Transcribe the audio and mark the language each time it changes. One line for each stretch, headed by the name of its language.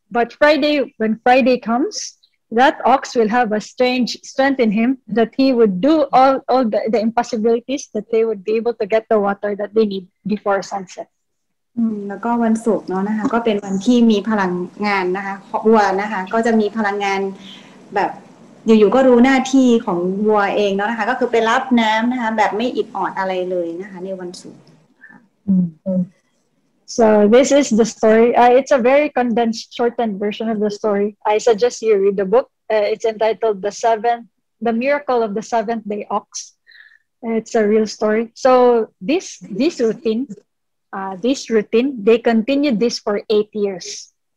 English: But Friday, when Friday comes, that ox will have a strange strength in him that he would do all the impossibilities that they would be able to get the water that they need before sunset.
Thai: แล้วก็วันศุกร์เนาะนะคะก็เป็นวันที่มีพลังงานนะคะวัวนะคะก็จะมีพลังงานแบบอยู่ๆก็รู้หน้าที่ของวัวเองเนาะนะคะก็คือไปรับน้ำนะคะแบบไม่อิดออดอะไรเลยนะคะในวันศุกร์
English: So this is the story. It's a very condensed, shortened version of the story. I suggest you read the book. It's entitled The Miracle of the Seventh Day Ox. It's a real story. So this routine, they continued this for 8 years.